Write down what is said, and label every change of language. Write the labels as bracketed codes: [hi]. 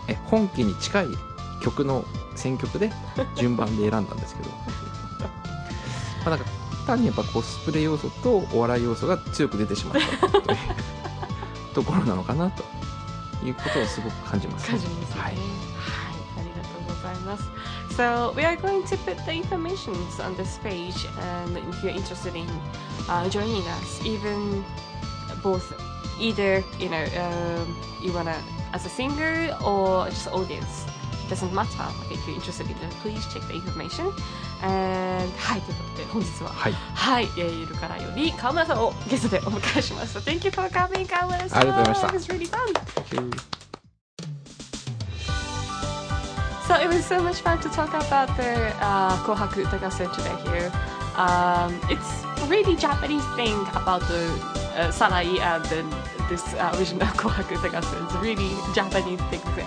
[ja] え、本気に近い曲の選曲で順番で選んだんですけど、まあ、なんか単にやっぱコスプレ要素とお笑い要素が強く出てしまったというところなのかなということをすごく感じます、ね、感じますね、はい、ありがとうございます。 [en] So we are going to put the information on this page, and if you're interested in、joining us, even both, either you know、you wanna as a singer or just audience, doesn't matter. If you're interested in it, please check the information. [ja] And はい、ということで本日ははい、はい、ゆるからより川村さんをゲストでお迎えしました。 [en] Thank you for coming, [ja] 川村さん。ありがとうございました。 [en] It was really fun. Thank you. So it was so much fun to talk about the、Kohaku Utaga Sen today here.、it's really Japanese thing about the、Sarai and then this、original Kohaku Utaga Sen. It's really Japanese thing.